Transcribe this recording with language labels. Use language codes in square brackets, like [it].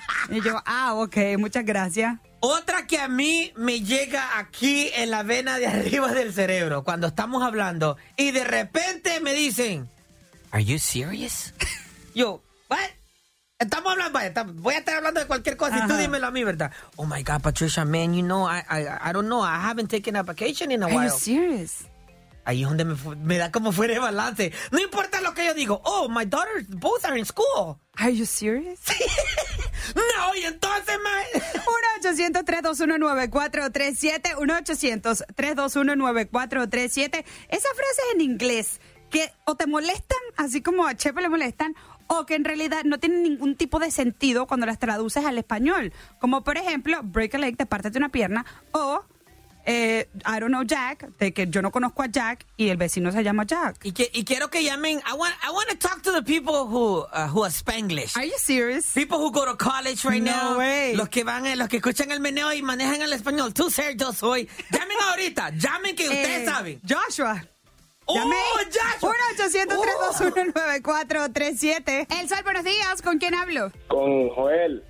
[es] Y yo, ok, muchas gracias. Otra que a mí me llega aquí en la vena de arriba del cerebro, cuando estamos hablando, y de repente me dicen, [en] are you serious? [es] Yo, [en] what? [es] Estamos hablando, voy a estar hablando de cualquier cosa y tú dímelo a mí, ¿verdad? [en] Oh my God, Patricia, man, you know, I don't know, I haven't taken a vacation in a while. Are you serious? [es] Ahí es donde me da como fuera de balance. No importa lo que yo digo. [en] Oh, my daughters both are in school. Are you serious? [es] No, y entonces, man. 1-800-321-9437. 1-800-321-9437. Esas frases en inglés que o te molestan, así como a Chepe le molestan, o que en realidad no tienen ningún tipo de sentido cuando las traduces al español. Como, por ejemplo, [en] break a leg, [es] te partes de una pierna, o... [en] I don't know Jack, [es] de que yo no conozco a Jack y el vecino se llama Jack. Y quiero que llamen. [en] I want to talk to the people who are Spanglish. Are you serious? People who go to college right no now. No way. [es] Los que escuchan el meneo y manejan el español. Tú ser yo soy. Llamen ahorita. Llamen que ustedes saben. Joshua. ¡Llamé! Joshua. 1-800-321-9437. El Sol, buenos días. ¿Con quién hablo? Con Joel.